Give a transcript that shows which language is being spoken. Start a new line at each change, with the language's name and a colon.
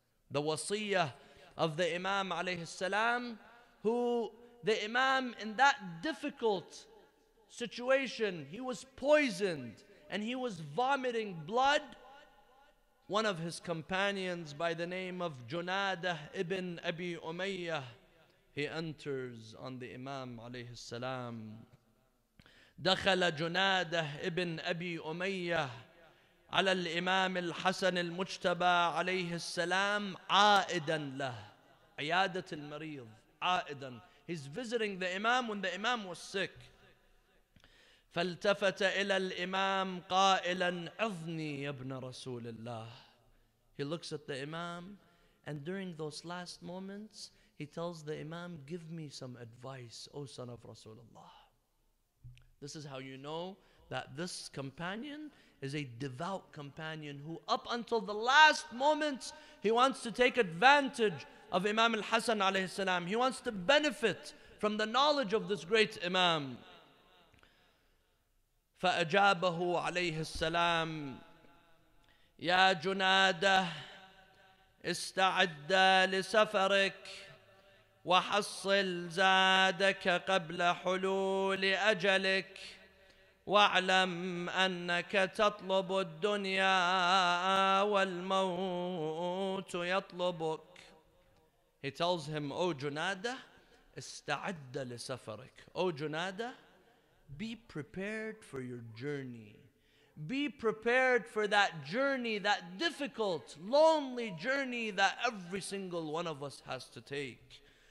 English: The wasiyah of the Imam alayhi salam, who the Imam in that difficult situation, he was poisoned and he was vomiting blood. One of his companions by the name of Junadah ibn Abi Umayyah, he enters on the Imam alayhi salam.
Arabic: دخل جناده ابن أبي أمية على الإمام الحسن المجتبى عليه السلام عائدا له عيادة المريض عائدا.
English: He's visiting the Imam when the Imam was sick.
Arabic: فالتفت إلى الإمام قائلا عظني يا ابن رسول الله.
English: He looks at the Imam and during those last moments he tells the Imam, give me some advice, O son of Rasulullah. This is how you know that this companion is a devout companion who up until the last moments, he wants to take advantage of Imam al-Hasan alayhi salam. He wants to benefit from the knowledge of this great Imam.
Arabic: فَأَجَابَهُ عَلَيْهِ السَّلَامِ يَا جُنَادَهِ اسْتَعَدَّ لِسَفَرِكِ وحصل زادك قبل حلول أجلك واعلم أنك تطلب الدنيا والموت يطلبك.
English: He tells him, O Junada,
Arabic: استعد لسفرك.
English: O Junada, be prepared for your journey. Be prepared for that journey, that difficult, lonely journey that every single one of us has to take.